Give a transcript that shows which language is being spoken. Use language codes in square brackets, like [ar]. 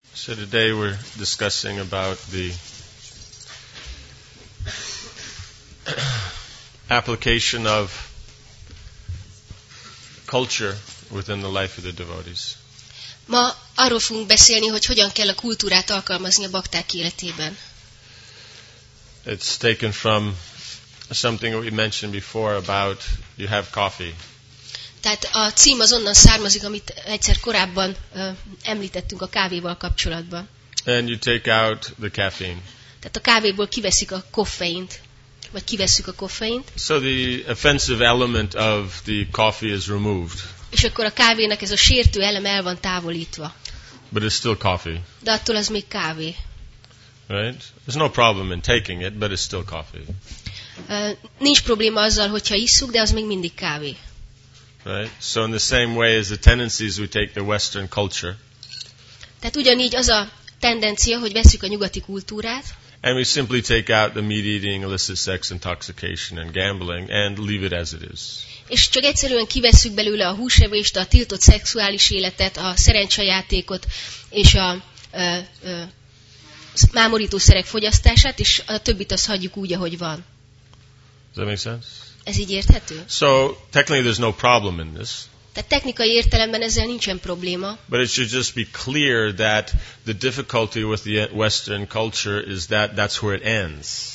[en] So today we're discussing about the application of culture within the life of the devotees. [hu] Ma arról fogunk beszélni, hogy hogyan kell a kultúrát alkalmazni a bakták életében. [en] It's taken from something that we mentioned before about you have coffee. [hu] Tehát a cím az onnan származik, amit egyszer korábban említettünk a kávéval kapcsolatban. [en] And you take out the caffeine. [hu] Tehát a kávéból kiveszik a koffeint, vagy kiveszük a koffeint. [en] So the offensive element of the coffee is removed. [hu] És akkor a kávénak ez a sértő elem el van távolítva. [en] But it's still coffee. [hu] De attól az még kávé. [en] Right? There's no problem in taking it, but it's still coffee. [hu] Nincs probléma azzal, hogyha isszuk, de az még mindig kávé. [en] Right? So in the same way as the tendencies we take the Western culture. [hu] Tehát ugyanígy az a tendencia, hogy veszük a nyugati kultúrát. [en] And we simply take out the meat eating, illicit sex, intoxication and gambling and leave it as it is. [hu] És csak egyszerűen kivesszük belőle a húsevést, a tiltott szexuális életet, a szerencsejátékot és a mámorítószerek fogyasztását, és a többit azt hagyjuk úgy, ahogy van. [en] Does that make sense? [hu] Ez így érthető? [en] So, technically there's no problem in this. [hu] Tehát technikai értelemben ezzel nincsen probléma. [en] But it should just be clear that the difficulty with the Western culture is that that's where it ends.